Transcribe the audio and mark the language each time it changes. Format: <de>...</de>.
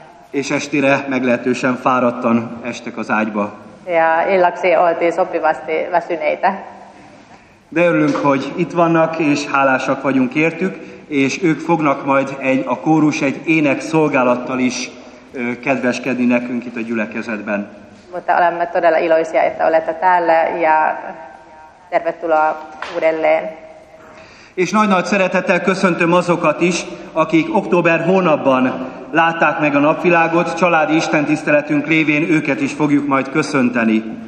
<hu>És estire meglehetősen fáradtan estek az ágyba.</hu> <fi>Ja illaksi oltiin sopivasti väsyneitä.</fi> <hu>De örülünk, hogy itt vannak, és hálásak vagyunk értük, és ők fognak majd a kórus egy ének szolgálattal is kedveskedni nekünk itt a gyülekezetben.</hu> <fi>Mutta olemme todella iloisia, että olette täällä, ja tervetuloa uudelleen.</fi> <hu>És nagy-nagy szeretettel köszöntöm azokat is, akik október hónapban látták meg a napvilágot, családi istentiszteletünk lévén őket is fogjuk majd köszönteni.</hu>